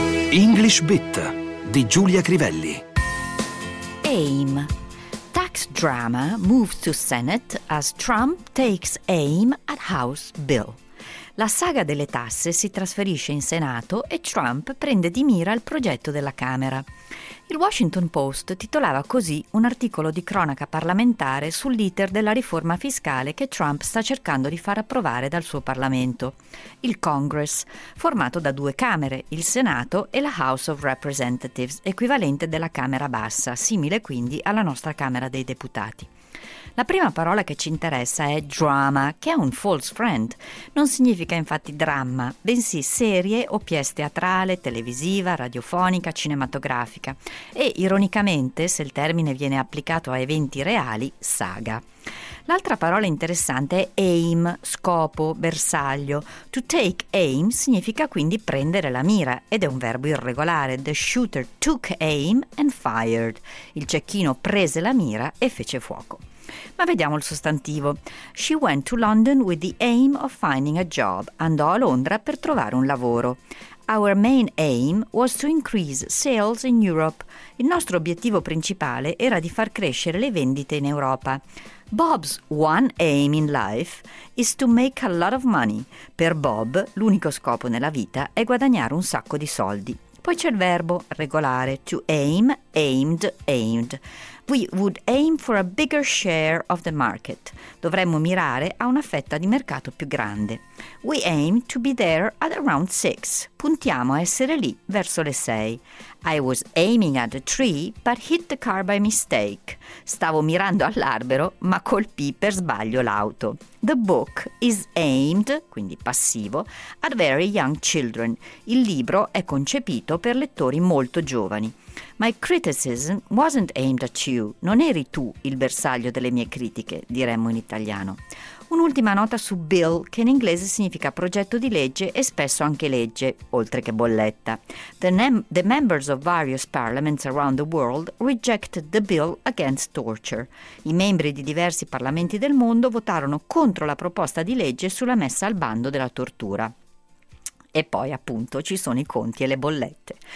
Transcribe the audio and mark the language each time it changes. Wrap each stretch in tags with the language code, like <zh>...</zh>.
<it>English Bit di Giulia Crivelli. AIM.</it> <en>Tax drama moves to Senate as Trump takes aim at House Bill.</en> <it>La saga delle tasse si trasferisce in Senato e Trump prende di mira il progetto della Camera. Il Washington Post titolava così un articolo di cronaca parlamentare sull'iter della riforma fiscale che Trump sta cercando di far approvare dal suo Parlamento, il Congress, formato da due Camere, il Senato e la House of Representatives, equivalente della Camera bassa, simile quindi alla nostra Camera dei Deputati. La prima parola che ci interessa è drama, che è un false friend. Non significa infatti dramma, bensì serie o pièce teatrale, televisiva, radiofonica, cinematografica. E, ironicamente, se il termine viene applicato a eventi reali, saga. L'altra parola interessante è aim, scopo, bersaglio. To take aim significa quindi prendere la mira, ed è un verbo irregolare.</it> <en>The shooter took aim and fired.</en> <it>Il cecchino prese la mira e fece fuoco. Ma vediamo il sostantivo.</it> <en>She went to London with the aim of finding a job.</en> <it>Andò a Londra per trovare un lavoro.</it> <en>Our main aim was to increase sales in Europe.</en> <it>Il nostro obiettivo principale era di far crescere le vendite in Europa.</it> <en>Bob's one aim in life is to make a lot of money.</en> <it>Per Bob, l'unico scopo nella vita è guadagnare un sacco di soldi. Poi c'è il verbo regolare, to aim, aimed, aimed.</it> <en>We would aim for a bigger share of the market.</en> <it>Dovremmo mirare a una fetta di mercato più grande.</it> <en>We aim to be there at around 6.</en> <it>Puntiamo a essere lì verso le 6.</it> <en>I was aiming at a tree, but hit the car by mistake.</en> <it>Stavo mirando all'albero, ma colpì per sbaglio l'auto.</it> <en>The book is aimed,</en> <it>quindi passivo,</it> <en>at very young children.</en> <it>Il libro è concepito per lettori molto giovani.</it> <en>My criticism wasn't aimed at you.</en> <it>Non eri tu il bersaglio delle mie critiche, diremmo in italiano. Un'ultima nota su bill, che in inglese significa progetto di legge e spesso anche legge, oltre che bolletta.</it> <en>The members of various parliaments around the world rejected the bill against torture.</en> <it>I membri di diversi parlamenti del mondo votarono contro la proposta di legge sulla messa al bando della tortura. E poi, appunto, ci sono i conti e le bollette.</it>